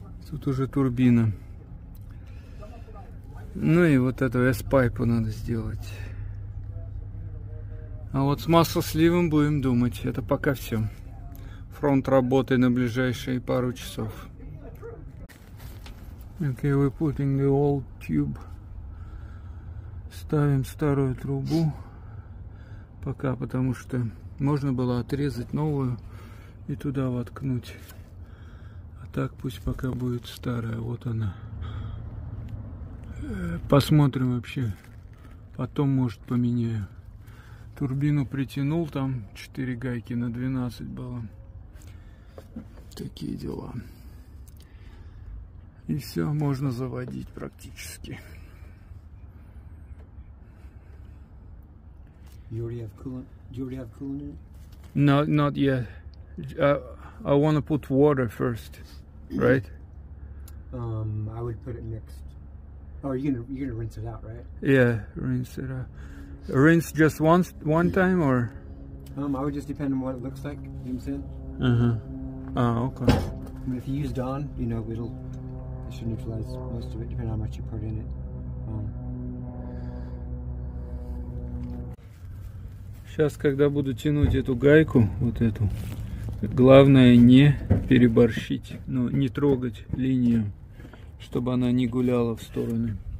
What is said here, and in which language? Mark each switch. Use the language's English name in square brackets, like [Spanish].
[Russian] Тут уже турбина. Ну и вот эту S-пайпу надо сделать. А вот с маслосливом будем думать. Это пока все. Фронт работы на ближайшие пару часов. [English] Okay, we're putting the old tube. [Russian] Ставим старую трубу. Пока, потому что можно было отрезать новую и туда воткнуть. А так пусть пока будет старая. Вот она. Посмотрим вообще. Потом, может, поменяю. Турбину притянул. Там 4 гайки на 12 было. Такие дела. И все, можно заводить практически. [English] You already have coolant? No, not yet. I want to put water first, right? I would put it mixed. Oh, you're gonna rinse it out, right? Yeah, rinse it out. Rinse just one time, or? I would just depend on what it looks like. You know what I'm saying? Uh-huh. Oh, okay. I mean, if you use Dawn, you know, it should neutralize most of it, depending on how much you put in it. [Russian] Сейчас, когда буду тянуть эту гайку, вот эту, главное не переборщить, ну, не трогать линию, чтобы она не гуляла в стороны.